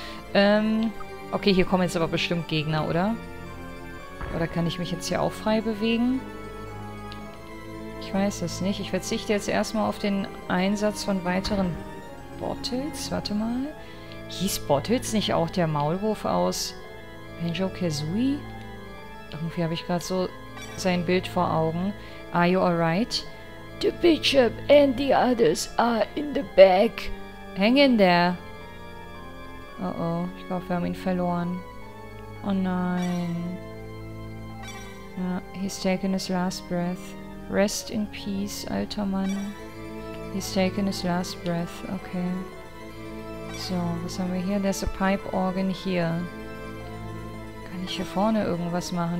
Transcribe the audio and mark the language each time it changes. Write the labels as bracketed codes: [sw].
[de] Okay, hier kommen jetzt aber bestimmt Gegner, oder? Oder kann ich mich jetzt hier auch frei bewegen? Ich weiß es nicht. Ich verzichte jetzt erstmal auf den Einsatz von weiteren Bottles. Warte mal. Hieß Bottles nicht auch der Maulwurf aus Banjo-Kazooie? Irgendwie habe ich gerade so sein Bild vor Augen. [en] Are you alright? The Bishop and the others are in the back. Hang in there. [de] Oh oh, ich glaube, wir haben ihn verloren. Oh nein. Ja, [en] he's taken his last breath. Rest in peace, [de] alter Mann. [en] He's taken his last breath, okay. [de] So, was haben wir hier? [en] There's a pipe organ here. [de] Kann ich hier vorne irgendwas machen?